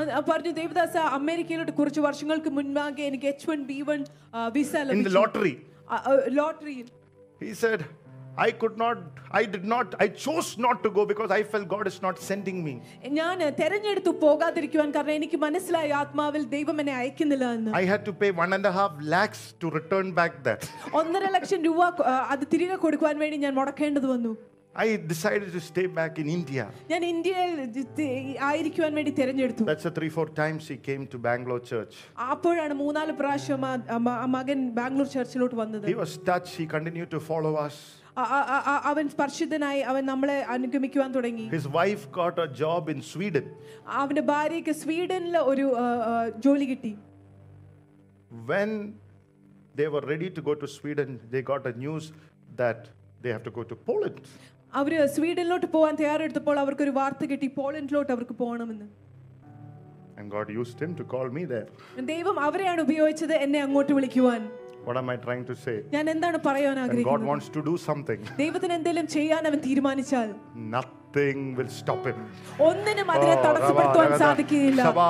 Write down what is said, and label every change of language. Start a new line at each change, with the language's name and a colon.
Malayalam: പറഞ്ഞു ദേവദാസ അമേരിക്കയിലോട്ട് കുറച്ച് വർഷങ്ങൾക്ക് മുൻപാകെ എനിക്ക് H1B1 വിസ ലഭിച്ചു.
English: In the lottery. Lottery. He said, I chose not to go because I felt God is not sending me.
Malayalam: ഞാൻ തിരഞ്ഞെടുത്തു പോകാതിരിക്കാൻ കാരണം എനിക്ക് മനസ്സിലായി ആത്മാവിൽ ദൈവം എന്നെ അയക്കുന്നില്ല എന്ന്.
English: I had to pay 1.5 lakhs to return back that.
Malayalam: 1.5 ലക്ഷം രൂപ അത് തിരികെ കൊടുക്കാൻ വേണ്ടി ഞാൻ മുടക്കേണ്ടതു വന്നു.
English: I decided to stay back in India.
Malayalam: ഞാൻ ഇന്ത്യയിൽ ആയിരിക്കാൻ വേണ്ടി തിരഞ്ഞെടുത്തു.
English: That's 3-4 times he came to Bangalore church.
Malayalam: അപ്പോഴാണ് 3-4 പ്രാവശ്യം മകൻ ബാംഗ്ലൂർ ചർച്ചിലോട്ട് വന്നത്.
English: He was touched, he continued to follow us.
Malayalam: അവൻ സ്പർശിതനായി അവൻ നമ്മളെ അനുഗമിക്കുവാൻ തുടങ്ങി.
English: His wife got a job in Sweden.
Malayalam: അവന്റെ ഭാര്യയ്ക്ക് സ്വീഡനിൽ ഒരു ജോലി കിട്ടി.
English: When they were ready to go to Sweden, they got a news that they have to go to Poland.
Malayalam: അവര് സ്വീഡനിലോട്ട് പോകാൻ തയ്യാറെടുത്തപ്പോൾ അവർക്ക് ഒരു വാർത്ത കിട്ടി പോളണ്ടിലോട്ട് അവർക്ക് പോകണമെന്ന്.
English: And God used him to call me there.
Malayalam: ദൈവം അവരെയാണ് ഉപയോഗിച്ചത് എന്നെ അങ്ങോട്ട് വിളിക്കുവാൻ.
English: What am I trying to say?
Malayalam: ഞാൻ എന്താണ് പറയാൻ ആഗ്രഹിക്കുന്നത്?
English: God wants to do something.
Malayalam: ദൈവത്തിന് എന്തെങ്കിലും ചെയ്യാൻ അവൻ തീരുമാനിച്ചാൽ
English: nothing will stop him.
Malayalam: ഒന്നിനും അതിനെ തടസ്സപ്പെടുത്താൻ സാധിക്കില്ല.